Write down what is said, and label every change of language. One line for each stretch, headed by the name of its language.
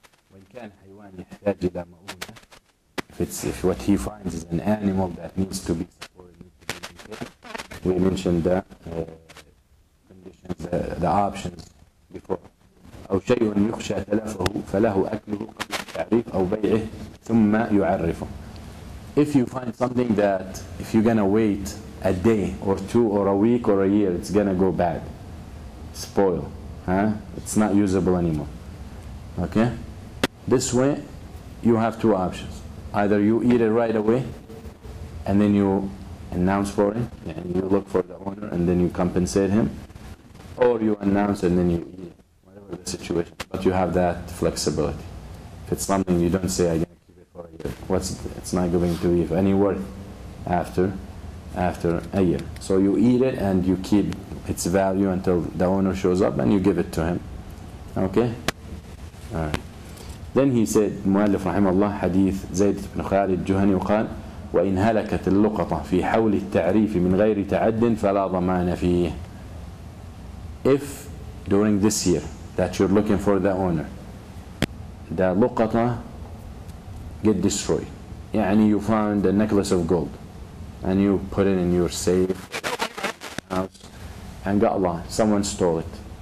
English: When can
Arabic: hayawan yahtaj ila ma'una?
English: If what he finds is an animal that needs to be supported, needs to be maintained, we mentioned the conditions, the options before.
Arabic: أو شيء يخشى تلفه فله أكله قبل التعريف أو بيعه ثم يعرفه.
English: If you find something that if you're gonna wait a day or two or a week or a year, it's gonna go bad, spoil, it's not usable anymore. Okay, this way you have two options. Either you eat it right away, and then you announce for it, and you look for the owner, and then you compensate him, or you announce and then you eat it, whatever the situation. But you have that flexibility. If it's something you don't say, I'm going to keep it for a year, it's not going to be of any worth after a year. So you eat it, and you keep its value until the owner shows up, and you give it to him. Okay? All right. Then he said,
Arabic: مؤلف رحمه الله حديث زيد بن خالد الجهني وقال وإن هلكت اللقطة في حول التعريف من غير تعد فلا ضمان فيه.
English: If during this year that you're looking for the owner, the لقطة get destroyed. يعني you found a necklace of gold and you put it in your safe house and got lost. Someone stole it.